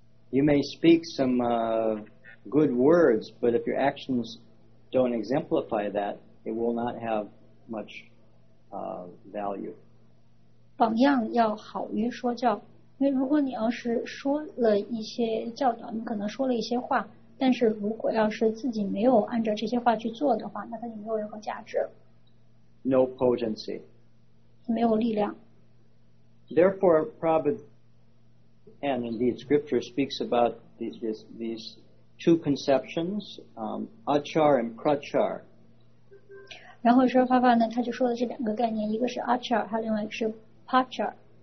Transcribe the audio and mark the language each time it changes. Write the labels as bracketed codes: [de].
[en] You may speak some good words, but if your actions don't exemplify that, it will not have much value. [zh] 榜样要好于说教，因为如果你要是说了一些教导，你可能说了一些话，但是如果要是自己没有按照这些话去做的话，那它就没有任何价值。 [en] No potency. [zh] 没有力量。 [en] Therefore, Prabhupada, and indeed scripture speaks about these two conceptions, achar and prachar. [zh] 然后说爸爸呢，他就说了这两个概念，一个是 achar， 还有另外一个是 prachar。